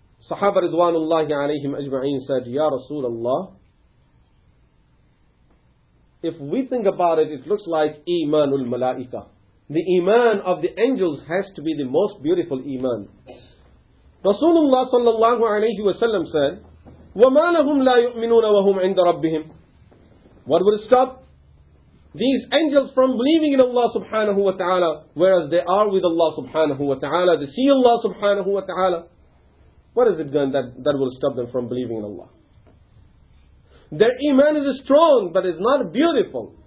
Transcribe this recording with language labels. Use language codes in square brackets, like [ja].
[en] Sahaba Ridwanullahi alayhim ajma'een said, "Ya Rasulullah, if we think about it, it looks like Imanul Malaika. The Iman of the angels has to be the most beautiful Iman. Rasulullah sallallahu alayhi wa sallam said, [ar] وَمَا لَهُمْ لَا يُؤْمِنُونَ وَهُمْ عِنْدَ رَبِّهِمْ. [en] What would stop these angels from believing in Allah subhanahu wa ta'ala, whereas they are with Allah subhanahu wa ta'ala, they see Allah subhanahu wa ta'ala. What is it then that will stop them from believing in Allah? Their iman is strong, but it's not beautiful.